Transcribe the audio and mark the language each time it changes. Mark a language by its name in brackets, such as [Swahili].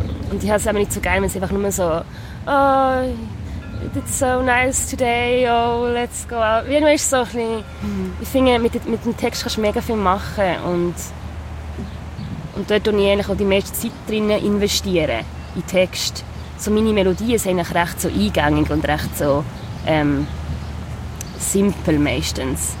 [German] Und ich habe es auch nicht so gerne, wenn es einfach nur so... [English] Oh, it's so nice today, oh, let's go out. [German] Wie immer ist es so ein bisschen... Ich finde, mit dem Text kannst du mega viel machen. Und dort investiere ich eigentlich auch die meiste Zeit drin investieren, in den Text. So meine Melodien sind eigentlich recht so eingängig und recht so... simpel meistens.